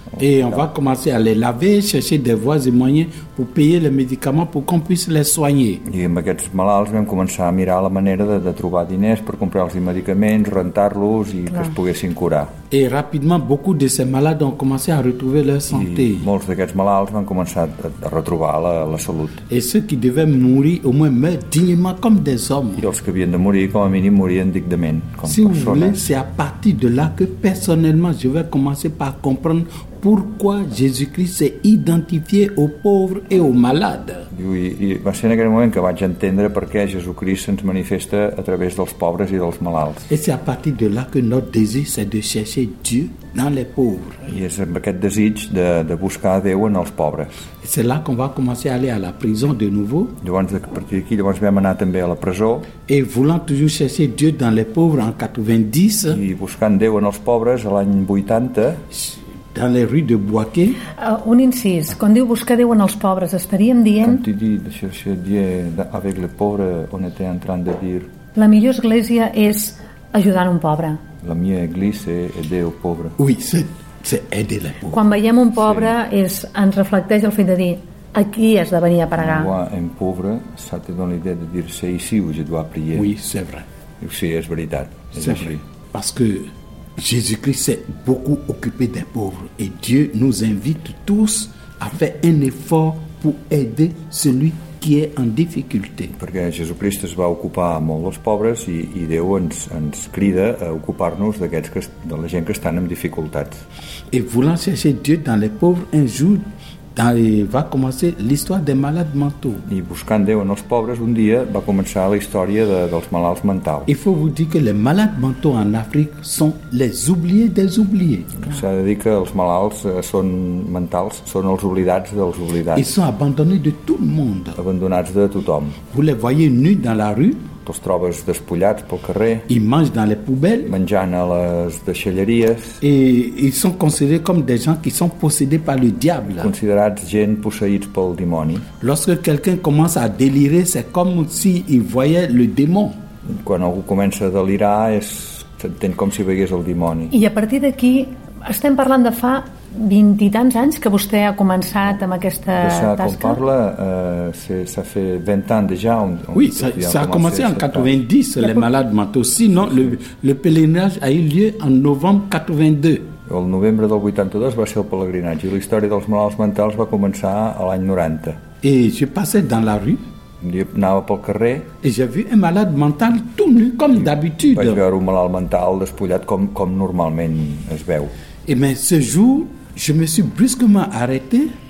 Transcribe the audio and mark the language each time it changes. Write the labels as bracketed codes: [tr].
[fr] Et on va commencer à les laver, chercher des voies et moyens pour payer les médicaments pour qu'on puisse les soigner. [ca] I amb aquests malalts vam començar a mirar la manera de trobar diners per comprar els medicaments, rentar-los i que es poguessin curar. [fr] Et rapidement, beaucoup de ces malades ont commencé à retrouver leur santé. [ca] I molts d'aquests malalts van començar a retrobar la salut. [fr] Et ceux qui devaient mourir, au moins, meurent dignement comme des hommes. [ca] I els que havien de morir, com a mínim, morien dignament, com si persones. [fr] Si vous voulez, c'est à partir de là que personnellement je vais commencer par comprendre pourquoi Jésus-Christ s'est identifié aux pauvres et aux malades. [ca] I va ser en aquell moment que vaig entendre per què Jesucrist se'ns manifesta a través dels pobres i dels malalts. [fr] Et c'est à partir de là que notre désir c'est de chercher Dieu dans les pauvres. [ca] I és amb aquest desig de buscar Déu en els pobres. [fr] Et c'est là qu'on va commencer à aller à la prison de nouveau. [ca] Llavors, a partir d'aquí, llavors vam anar també a la presó. [fr] Et voulant toujours chercher Dieu dans les pauvres en 90. [ca] I buscant Déu en els pobres a l'any 80. [fr] Dans les rues de Boaké. [ca] Un incís, quan diu buscar Déu en els pobres, estaríem dient... [fr] Quand tu dis chercher Dieu avec les pauvres, on était en train de dire... [ca] La millor església és ajudar un pobre. La meva església és Déu pobre. [fr] Oui, c'est aider les pauvres. [ca] Quan veiem un pobre, ens reflecteix el fet de dir, aquí has de venir a pregar. [fr] Moi, [ca] un pobre, [fr] ça te donne l'idée de dire, c'est ici où je dois prier. Oui, c'est vrai. [ca] Sí, és veritat. [fr] C'est vrai. Parce que Jésus-Christ s'est beaucoup occupé des pauvres et Dieu nous invite tous à faire un effort pour aider celui qui est en difficulté. [ca] Perquè Jesucrist es va ocupar molt dels pobres i Déu ens crida a ocupar-nos d'aquests de la gent que estan en dificultats. [fr] Et voulant chercher Dieu dans les pauvres un jour va commencer l'histoire des malades mentaux. [ca] I buscant Déu en els pobres un dia va començar la història dels malalts mentals. [fr] Il faut vous dire que les malades mentaux en Afrique sont les oubliés des oubliés. [ca] S'ha de dir que els malalts són mentals, són els oblidats dels oblidats. [fr] Ils sont abandonnés de tout le monde. [ca] Abandonats de tothom. [fr] Vous les voyez nus dans la rue? [ca] Els trobes despullats pel carrer. [fr] Ils mangent dans les poubelles. [ca] Menjant a les deixalleries. [fr] Et ils sont considérés comme des gens qui sont possédés par le diable. [ca] Considerats gent posseïts pel dimoni. [fr] Lorsque quelqu'un commence à délirer, c'est comme si il voyait le démon. [ca] Quan algú comença a delirar, s'entén com si veiés el dimoni. I a partir d'aquí, estem parlant de fa 20 i tants anys que vostè ha començat amb aquesta tasca? Com parla, s'ha fet 20 anys ja. Oui, s'ha començat en 90, [fr] les malades mentaux. Sinon, le pèlerinage a eu lieu en novembre 82. [ca] El novembre del 82 va ser el pèlerinatge i la història dels malalts mentals va començar a l'any 90. [fr] Et je passais dans la rue. [ca] Anava pel carrer. [fr] Et j'ai vu un malade mental tout nu, comme d'habitude. [ca] Vaig veure un malalt mental despullat com normalment es veu. [fr] Et mais ce jour, je me suis brusquement arrêté.